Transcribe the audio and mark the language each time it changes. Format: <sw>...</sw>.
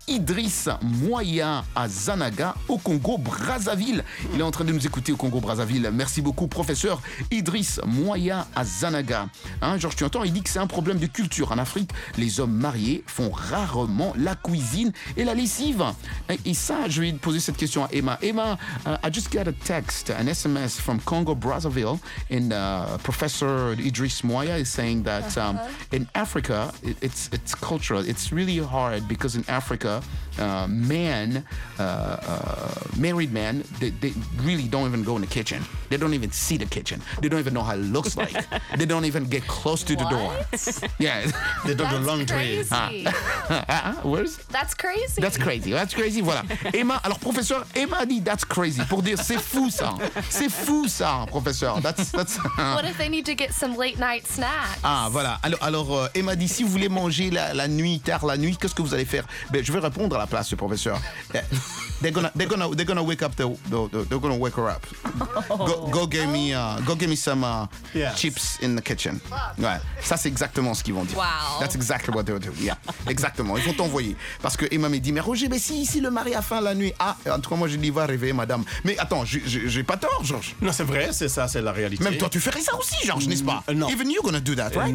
<fr>Idriss Moya à Zanaga, au Congo-Brazzaville. Il est en train de nous écouter au Congo-Brazzaville. Merci beaucoup, professeur Idriss Moya à Zanaga. Hein, Georges, tu entends, il dit que c'est un problème de culture. En Afrique, les hommes mariés font rarement la cuisine et la lessive. Et ça, je vais poser cette question à Emma.</fr> <en>Emma, I just got a text, an SMS from Congo-Brazzaville, and professor Idriss Moya is saying that in Africa, it's cultural. It's really hard because in Africa, married men, they really don't even go in the kitchen. They don't even see the kitchen. They don't even know how it looks like. They don't even get close to what? The door. Yeah. They do the laundry. That's crazy. That's crazy.</en> <fr>Voilà. Emma, alors professeur, Emma dit</fr> <en>that's crazy</en> <fr>pour dire c'est fou ça. C'est fou ça, professeur. That's.</fr> <en>What if they need to get some late night snacks?</en> <fr>Ah, voilà. Alors Emma dit, si vous voulez manger la nuit, tard la nuit, qu'est-ce que vous allez faire? Ben, je vais répondre à la place du professeur.</fr> <en>They're gonna wake her up. Go get me some chips in the kitchen.</en> <fr>Ouais, ça c'est exactement ce qu'ils vont dire.</fr> <en>Wow. That's exactly what they'll do.</en> <fr>Yeah, exactement. Ils vont t'envoyer parce que Emma m'a dit, mais Roger, mais si le mari a faim la nuit, ah, en tout cas moi je dis va réveiller madame. Mais attends, j'ai pas tort, Georges. Non, c'est vrai, c'est ça, c'est la réalité. Même toi, tu ferais ça aussi, Georges, n'est-ce pas? Non.</fr> <en>Even you gonna do that, right?</en>